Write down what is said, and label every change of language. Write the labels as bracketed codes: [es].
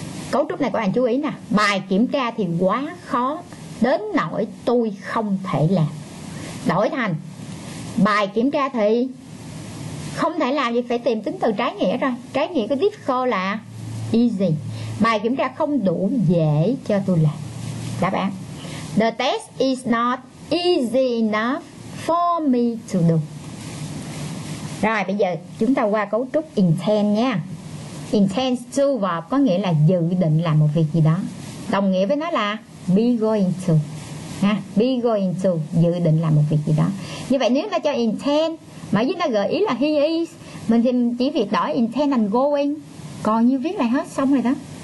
[vi] Cấu trúc này các bạn chú ý nè. Bài kiểm tra thì quá khó đến nỗi tôi không thể làm. Đổi thành bài kiểm tra thì không thể làm gì, phải tìm tính từ trái nghĩa rồi. Trái nghĩa của difficult là easy. Bài kiểm tra không đủ dễ cho tôi làm. Đáp án: [en] the test is not easy enough for me to do. [vi] Rồi bây giờ chúng ta qua cấu trúc intend nha. Intends to verb có nghĩa là dự định làm một việc gì đó. Đồng nghĩa với nó là be going to. Ha, be going to, dự định làm một việc gì đó. Như vậy nếu ta cho intend mà dưới ta gợi ý là he is, mình thì chỉ việc đổi intend thành going, còn như viết lại hết xong rồi đó.